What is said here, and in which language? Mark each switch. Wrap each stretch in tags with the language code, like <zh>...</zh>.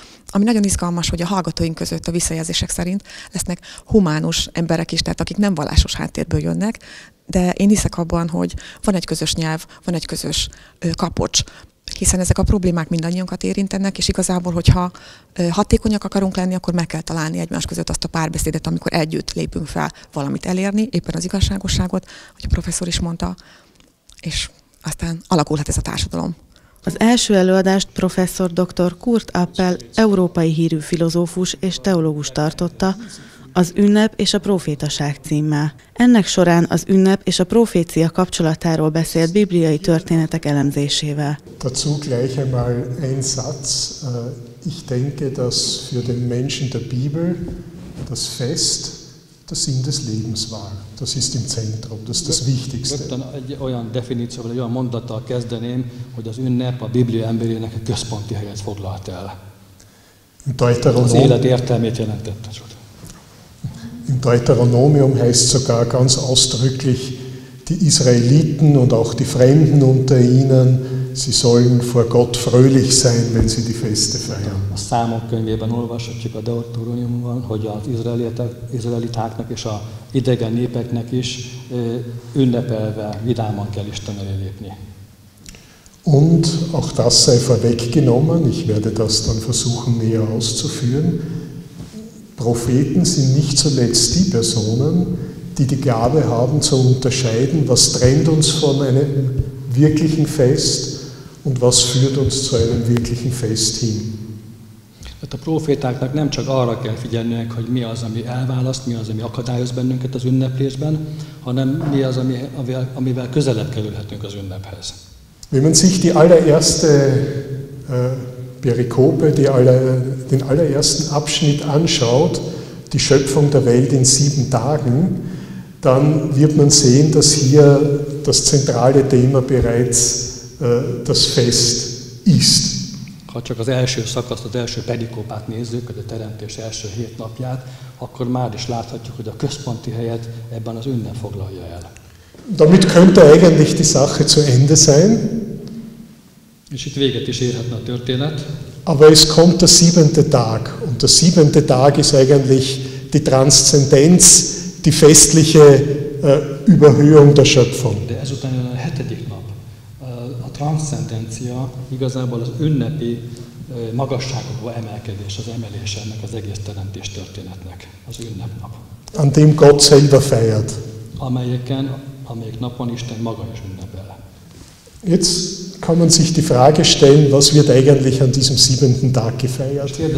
<hu>Ami nagyon izgalmas, hogy a hallgatóink között a visszajelzések szerint lesznek humánus emberek is, tehát akik nem vallásos háttérből jönnek, de én hiszek abban, hogy van egy közös nyelv, van egy közös kapocs, hiszen ezek a problémák mindannyiunkat érintenek, és igazából, hogyha hatékonyak akarunk lenni, akkor meg kell találni egymás között azt a párbeszédet, amikor együtt lépünk fel valamit elérni, éppen az igazságosságot, hogy a professzor is mondta, és aztán alakulhat ez a társadalom. Az első előadást professzor dr. Kurt Appel, európai hírű filozófus és teológus tartotta, az ünnep és a prófétaság címmel. Ennek során az ünnep és a profécia kapcsolatáról beszélt bibliai történetek elemzésével.</hu> <de>Dazu gleich einmal ein Satz. Ich denke, dass für den Menschen der Bibel das Fest der Sinn des Lebens war. Das ist im Zentrum, das ist das Wichtigste.</de> <hu>Rögtön egy olyan definícióval, egy olyan mondattal kezdeném, hogy az ünnep a Biblia emberének a központi helyet foglalt el. Az élet értelmét jelentette.</hu> <de>In Deuteronomium heißt sogar ganz ausdrücklich, die Israeliten und auch die Fremden unter ihnen, sie sollen vor Gott fröhlich sein, wenn sie die Feste feiern.</de> <hu>A Számok könyvében olvashatjuk a Deuteronomiumban, hogy az izraelitáknak és az idegen népeknek is ünnepelve vidáman kell Isten elé lépni.</hu> <de>Und auch das sei vorweggenommen, ich werde das dann versuchen näher auszuführen, Propheten sind nicht zuletzt die Personen, die die Gabe haben zu unterscheiden, was trennt uns von einem wirklichen Fest und was führt uns zu einem wirklichen Fest hin.</de> <hu>A profétáknak nem csak arra kell figyelniük, hogy mi az, ami elválaszt, mi az, ami akadályoz bennünket az ünneplésben, hanem mi az, amivel közelebb kerülhetünk az ünnephez.</hu> <de>Wenn man sich die allererste Perikope, den allerersten Abschnitt anschaut, die Schöpfung der Welt in sieben Tagen, dann wird man sehen, dass hier das zentrale Thema bereits das Fest ist.</de> <hu>Ha csak az első szakaszt, az első perikópát nézzük, a teremtés első hét napját, akkor már is láthatjuk, hogy a központi helyet ebben az ünnep foglalja el.</hu> <de>Damit könnte eigentlich die Sache zu Ende sein.</de> <hu>És itt véget is érhetne a történet.</hu> <de>Aber es kommt der siebente Tag. Und der siebente Tag ist eigentlich die Transzendenz, die festliche Überhöhung der Schöpfung.</de> <hu>De ezután jön a hetedik nap. A transzendencia igazából az ünnepi magasságokba emelkedés, az emelés ennek az egész teremtés történetnek. Az ünnepnap.</hu> <de>An dem Gott selber feiert.</de> <hu>Amelyik napon Isten maga is ünnepel.</hu> <de>Jetzt kann man sich die Frage stellen, was wird eigentlich an diesem siebenten Tag gefeiert?</de>